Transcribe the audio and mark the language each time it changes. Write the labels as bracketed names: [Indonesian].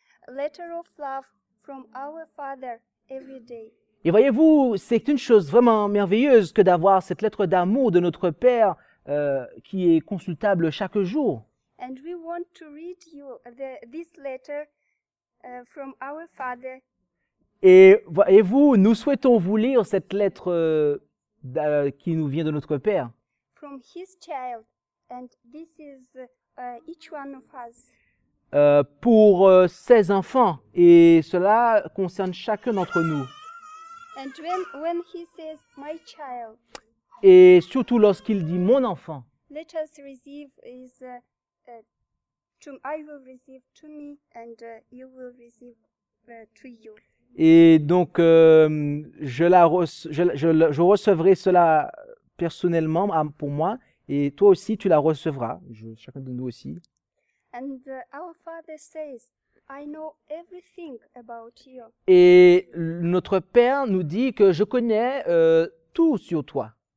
[English] letter of love from our Father every day. [French] Et voyez-vous, c'est une chose vraiment merveilleuse que d'avoir cette lettre d'amour de notre Père qui est consultable chaque jour. [English] And we want to read you this letter from our Father. [French] Et voyez-vous, nous souhaitons vous lire cette lettre qui nous vient de notre Père. [English] From his child, and this is each one of us. [French] Pour 16 enfants, et cela concerne chacun d'entre nous. [English] And when he says my child. [French] Et surtout lorsqu'il dit mon enfant. [English] Let us receive his I will receive to me and you will receive to you. [French] Et donc je recevrai cela personnellement pour moi et toi aussi tu la recevras, chacun de nous aussi. [English] And our Father says, I know everything about you. [French] Et notre Père nous dit que je connais tout sur toi.